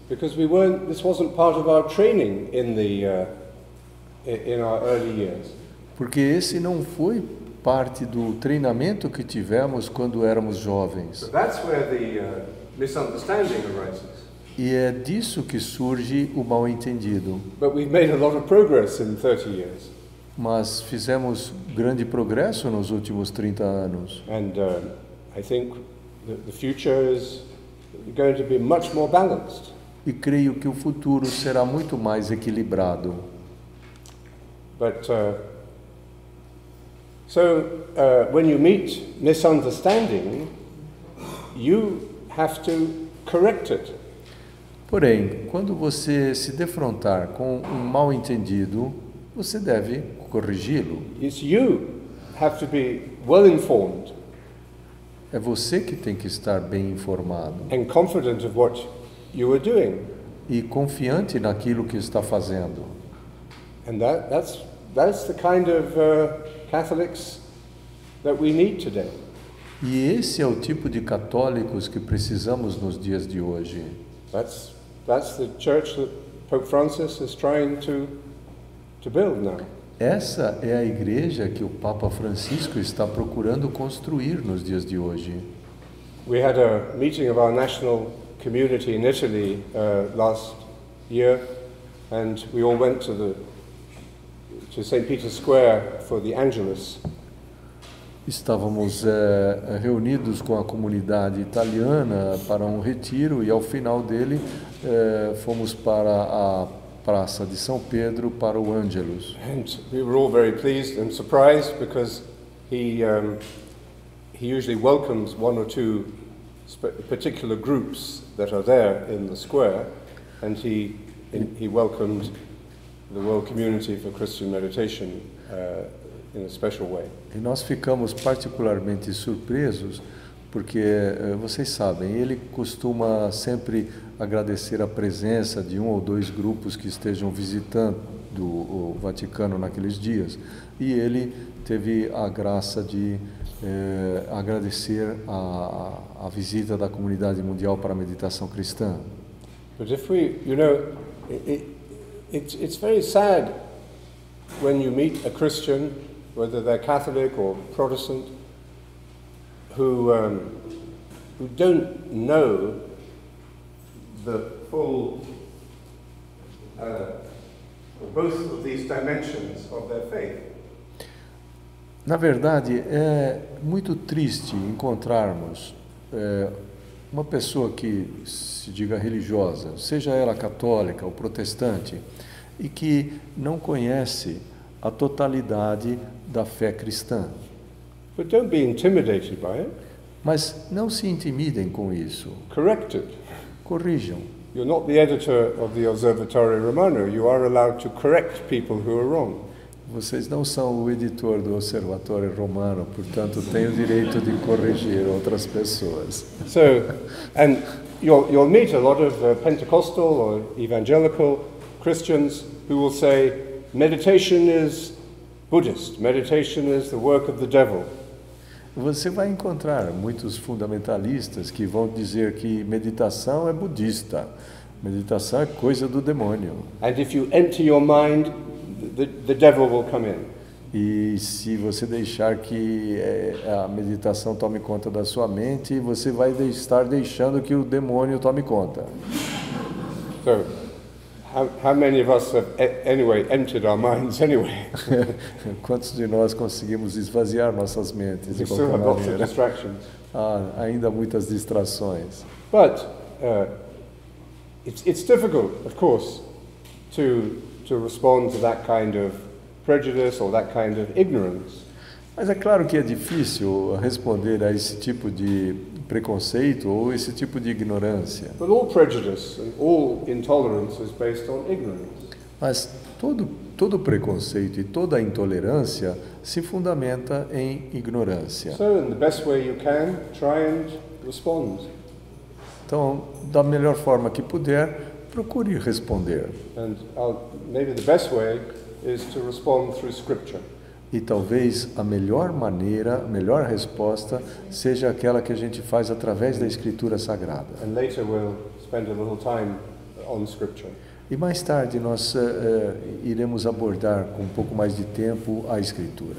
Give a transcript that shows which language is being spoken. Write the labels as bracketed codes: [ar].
[en] Because we weren't, this wasn't part of our training in the in our early years. [pt] Porque esse não foi parte do treinamento que tivemos quando éramos jovens. [en] But that's where the misunderstanding arises. [pt] E é disso que surge o mal-entendido. [en] But we've made a lot of progress in 30 years. [pt] Mas fizemos grande progresso nos últimos 30 anos. [en] And I think the future is going to be much more balanced. [pt] e creio que o futuro será muito mais equilibrado. [en] When you meet misunderstanding, you have to correct it. [pt] Porém, quando você se defrontar com um mal-entendido, você deve corrigi-lo. [en] It's you have to be well informed. [pt] É você que tem que estar bem informado. [en] And confident of what you are doing. [pt] E confiante naquilo que está fazendo. [en] And that's the kind of Catholics that we need today. [pt] E esse é o tipo de católicos que precisamos nos dias de hoje. [en] That's the church that Pope Francis is trying to build now. [pt] Essa é a igreja que o Papa Francisco está procurando construir nos dias de hoje. [en] We had a meeting of our national community in Italy last year, and we all went to St. Peter's Square for the Angelus. [pt] Estávamos reunidos com a comunidade italiana para um retiro e ao final dele fomos para a Praça de São Pedro para o Angelus. [en] And we were all very pleased and surprised because he usually welcomes one or two particular groups that are there in the square, and he welcomed the World Community for Christian Meditation in a special way. [pt] E nós ficamos particularmente surpresos porque vocês sabem, ele costuma sempre agradecer a presença de um ou dois grupos que estejam visitando o Vaticano naqueles dias. E ele teve a graça de agradecer a visita da Comunidade Mundial para a Meditação Cristã. [en] But if we, you know, it's very sad when you meet a Christian, whether they're Catholic or Protestant, who don't know the full both of these dimensions of their faith. [pt] Na verdade, é muito triste encontrarmos uma pessoa que se diga religiosa, seja ela católica ou protestante, e que não conhece a totalidade da fé cristã. [en] But don't be intimidated by it. [pt] Mas não se intimidem com isso. [en] Correct it. [pt] Corrijam. [en] You're not the editor of the Osservatore Romano. You are allowed to correct people who are wrong. [pt] Vocês não são o editor do Osservatore Romano, portanto têm o direito de corrigir outras pessoas. [en] So, and you'll meet a lot of Pentecostal or evangelical Christians who will say meditation is Buddhist. Meditation is the work of the devil. [pt] Você vai encontrar muitos fundamentalistas que vão dizer que meditação é budista. Meditação é coisa do demônio. [en] And if you enter your mind, the devil will come in. [pt] E se você deixar que a meditação tome conta da sua mente, você vai estar deixando que o demônio tome conta. [en] So, how many of us have anyway entered our minds anyway? [pt] Quantos de nós conseguimos esvaziar nossas mentes? [en] We still have lots of distractions. [pt] Ainda muitas distrações. [en] But it's difficult, of course, to respond to that kind of prejudice or that kind of ignorance. [pt] Mas é claro que é difícil responder a esse tipo de preconceito ou esse tipo de ignorância. [en] But all prejudice and all intolerance is based on ignorance. [pt] Mas todo preconceito e toda intolerância se fundamenta em ignorância. [en] So in the best way you can, try and respond. [pt] Então, da melhor forma que puder, procure responder. [en] And maybe the best way is to respond through scripture. [pt] E talvez a melhor maneira, a melhor resposta, seja aquela que a gente faz através da Escritura Sagrada. [en] And later we'll spend a little time on scripture. [pt] E mais tarde nós iremos abordar com um pouco mais de tempo a Escritura.